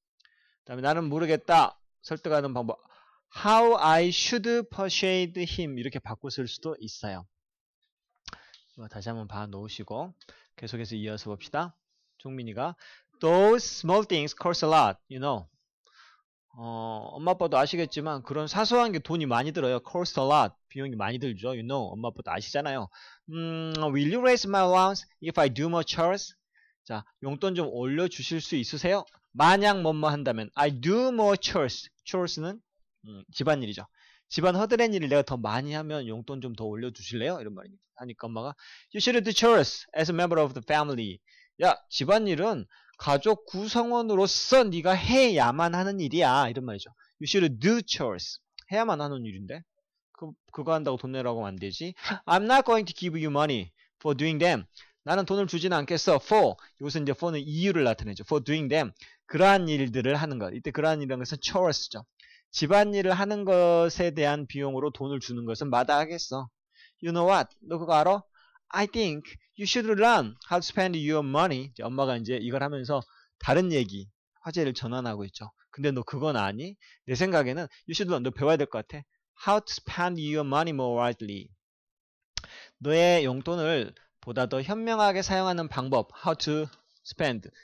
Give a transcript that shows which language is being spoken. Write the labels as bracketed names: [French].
[Korean] 그 다음에 나는 모르겠다. 설득하는 방법 [English] How I should persuade him [Korean] 이렇게 바꿔 쓸 수도 있어요. 다시 한번 봐 놓으시고 계속해서 이어서 봅시다. [English] 종민이가 Those small things cost a lot, you know. [Korean] 엄마 아빠도 아시겠지만 그런 사소한 게 돈이 많이 들어요. [English] Cost a lot. [Korean] 비용이 많이 들죠. [English] You know. [Korean] 엄마 아빠도 아시잖아요. [English] Will you raise my allowance if I do more chores? [Korean] 자, 용돈 좀 올려 주실 수 있으세요? 만약 뭐뭐 한다면 [English] I do more chores. [Korean] Chores는 집안일이죠. 집안 허드렛 일을 내가 더 많이 하면 용돈 좀 더 올려주실래요? 이런 말입니다. 하니까 엄마가 [English] You should do chores as a member of the family. [Korean] 야, 집안일은 가족 구성원으로서 네가 해야만 하는 일이야. 이런 말이죠. [English] You should do chores. [Korean] 해야만 하는 일인데 그거 한다고 돈 내라고 하면 안 되지. [English] I'm not going to give you money for doing them. [Korean] 나는 돈을 주지는 않겠어. [English] For. [Korean] 여기서 이제 for는 이유를 나타내죠. [English] For doing them. [Korean] 그러한 일들을 하는 것. 이때 그러한 일이라는 것은 chores죠. 집안일을 하는 것에 대한 비용으로 돈을 주는 것은 마다하겠어. [English] You know what? [Korean] 너 그거 알아? [English] I think you should learn how to spend your money. [Korean] 이제 엄마가 이제 이걸 하면서 다른 얘기, 화제를 전환하고 있죠. 근데 너 그건 아니? 내 생각에는 [English] you should learn. [Korean] 너 배워야 될 것 같아. [English] How to spend your money more wisely. [Korean] 너의 용돈을 보다 더 현명하게 사용하는 방법, [English] how to spend.